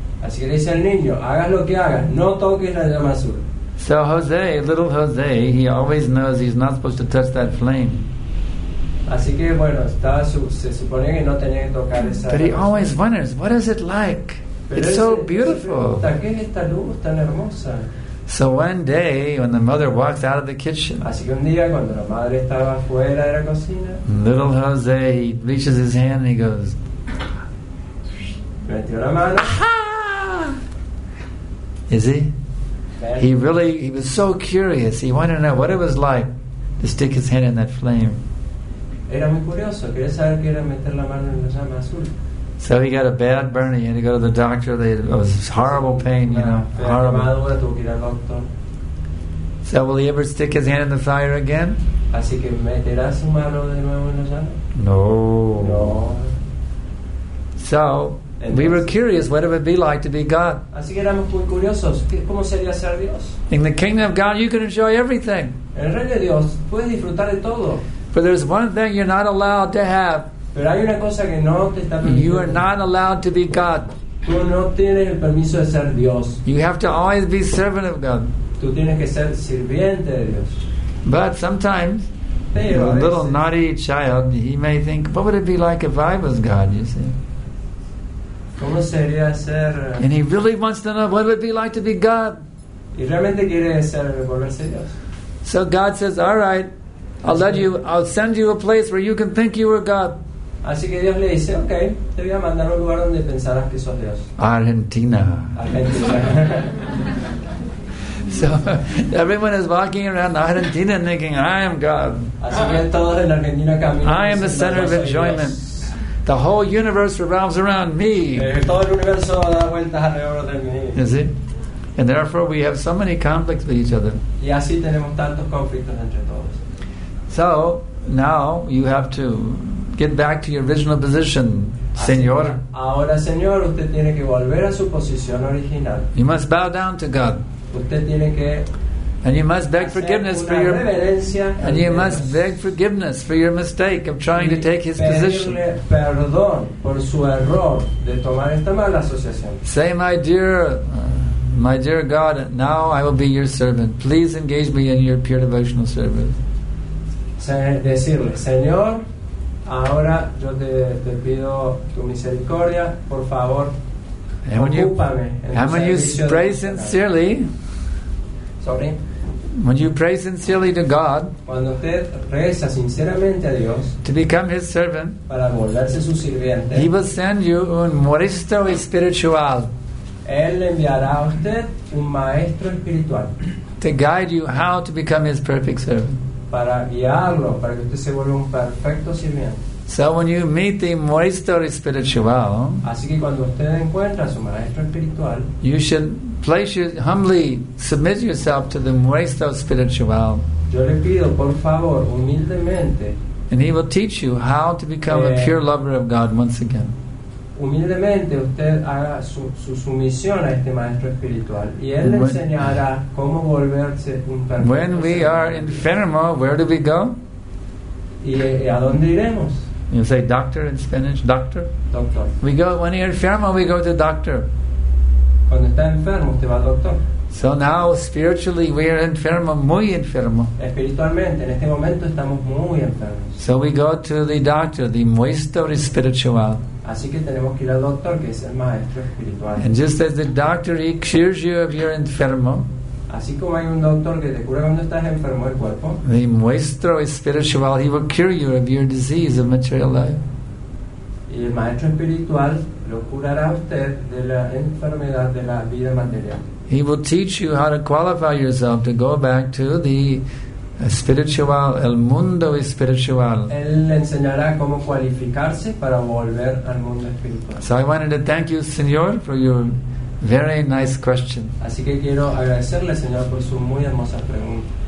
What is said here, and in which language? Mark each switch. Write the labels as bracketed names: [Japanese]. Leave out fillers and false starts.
[Spanish] Así que le dice al niño, hagas lo que hagas, no toques la llama azul. [English] So Jose, little Jose, he always knows he's not supposed to touch that flame. [Spanish] Así que bueno, se suponía que no tenía que tocar esa [English] llama. But he always wonders, what is it like? It's so beautiful. [Spanish] ¿Qué es esta luz tan hermosa? [English] So one day, when the mother walks out of the kitchen, [Spanish] así que un día cuando la madre estaba fuera de la cocina, [English] little Jose, he reaches his hand and he goes, [Spanish] metió la mano. [English] Aha! Is he? He was so curious. He wanted to know what it was like to stick his hand in that flame. [Spanish] Era muy curioso. Quería saber qué era meter la mano en la llama azul. [English] So he got a bad burn. He had to go to the doctor. It was horrible pain, you know. Horrible. So will he ever stick his hand in the fire again? [Spanish] Así que meterá su mano de nuevo en la llama. No. [English] No. So We were curious, what it would be like to be God. [Spanish] Así que éramos muy curiosos, ¿cómo sería ser Dios? [English] In the kingdom of God, you can enjoy everything. [Spanish] En el reino de Dios, puedes disfrutar de todo. [English] But there's one thing you're not allowed to have. [Spanish] Pero hay una cosa que no te está permitiendo. [English] You are not allowed to be God. [Spanish] Tú no tienes el permiso de ser Dios. [English] You have to always be servant of God. [Spanish] Tú tienes que ser sirviente de Dios. [English] But sometimes, [Spanish] pero [English] a little naughty child, he may think, what would it be like if I was God, you see? [Spanish] ¿Cómo sería ser? [English] And he really wants to know what it would be like to be God. [Spanish] Y realmente quiere ser, volverse Dios. [English] So God says, all right, I'll let you, I'll send you a place where you can think you were God. [Spanish] Así que Dios le dice, okay, te voy a mandar a un lugar donde pensarás que sos Dios. [English] Argentina. [Spanish] Argentina. [English] So everyone is walking around Argentina thinking, I am God. [Spanish] Así que todos en Argentina caminan. [English] I am the center of enjoyment. [Spanish] Dios. [English] The whole universe revolves around me. [Spanish] Todo el universo da vueltas alrededor de mí. [English] Is it? And therefore we have so many conflicts with each other. [Spanish] Y así tenemos tantos conflictos entre todos. [English] So now you have to get back to your original position, Señor. [Spanish] Ahora, Señor, usted tiene que volver a su posición original. [English] You must bow down to God. [Spanish] Usted tiene que [English] and you must beg forgiveness for your and you must beg forgiveness for your mistake of trying to take his position. [Spanish] Perdón por su error de tomar esta mala asociación. [English] Say, my dear God, now I will be your servant. Please engage me in your pure devotional service. [Spanish] Decirle, Señor, ahora yo te pido tu misericordia, por favor. [English] And when you pray sincerely, when you pray sincerely to God, [Spanish] cuando usted reza sinceramente a Dios, [English] to become His servant, [Spanish] para volverse su sirviente, [English] He will send you [Spanish] un maestro espiritual. Él le enviará a usted un maestro espiritual. [English] To guide you how to become His perfect servant. [Spanish] Para guiarlo, para que usted se vuelva un perfecto sirviente. [English] So when you meet the maestro espiritual, [Spanish] así que cuando usted encuentra su maestro espiritual, [English] you should place your, humbly submit yourself to the maestro espiritual. [Spanish] Yo le pido, por favor, humildemente, [English] and he will teach you how to become a pure lover of God once again. [Spanish] Humildemente usted haga su sumisión a este maestro espiritual y él le enseñará cómo volverse un perfecto. [English] When we are enfermo, where do we go? [Spanish] ¿Y a dónde iremos? [English] You say doctor in Spanish, doctor? [Spanish] Doctor. [English] We go, when you're enfermo, we go to the doctor. [Spanish] Cuando está enfermo, usted va al doctor. [English] So now, spiritually, we are [Spanish] enfermo, muy enfermo. Espiritualmente, en este momento estamos muy enfermos. [English] So we go to the doctor, the maestro espiritual. [Spanish] Así que tenemos que ir al doctor, que es el maestro espiritual. [English] And just as the doctor, he cures you if you're enfermo. [Spanish] Así como hay un doctor que te cura cuando estás enfermo del cuerpo. [English] The maestro espiritual, he will cure you of your disease of material life. [Spanish] Y el maestro espiritual lo curará a usted de la enfermedad de la vida material. [English] He will teach you how to qualify yourself to go back to the espiritual, [Spanish] el mundo espiritual. Él le enseñará cómo cualificarse para volver al mundo espiritual. [English] So I wanted to thank you, Señor, for your very nice question. [Spanish] Así que quiero agradecerle, señor, por su muy hermosa pregunta.